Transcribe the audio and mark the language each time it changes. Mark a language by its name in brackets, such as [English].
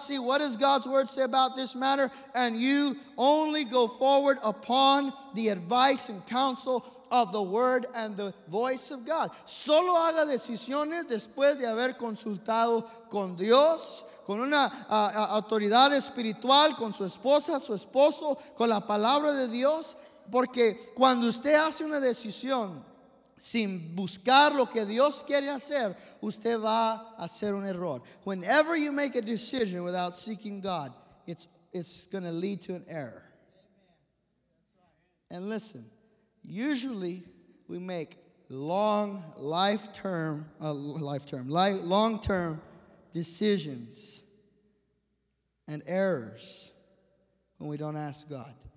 [English] See what does God's Word say about this matter. And you only go forward upon the advice and counsel of the Word and the voice of God. [Spanish] Solo haga decisiones después de haber consultado con Dios, con una autoridad espiritual, con su esposa, su esposo, con la palabra de Dios. Porque cuando usted hace una decisión sin buscar lo que Dios quiere hacer, usted va a hacer un error. [English] Whenever you make a decision without seeking God, it's going to lead to an error. And listen, usually we make long-term decisions and errors when we don't ask God.